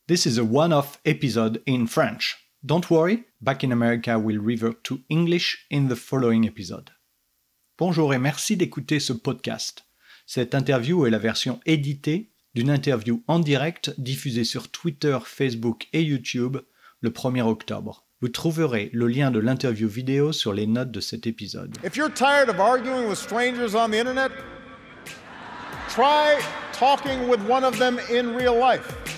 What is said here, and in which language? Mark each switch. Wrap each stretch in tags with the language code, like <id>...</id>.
<en>This is a one-off episode in French. Don't worry, back in America, we'll revert to English in the following episode.</en> <fr>Bonjour et merci d'écouter ce podcast. Cette interview est la version éditée d'une interview en direct diffusée sur Twitter, Facebook et YouTube le 1er octobre. Vous trouverez le lien de l'interview vidéo sur les notes de cet épisode.</fr> <en>If you're tired of arguing with strangers on the internet, try talking with one of them in real life.</en>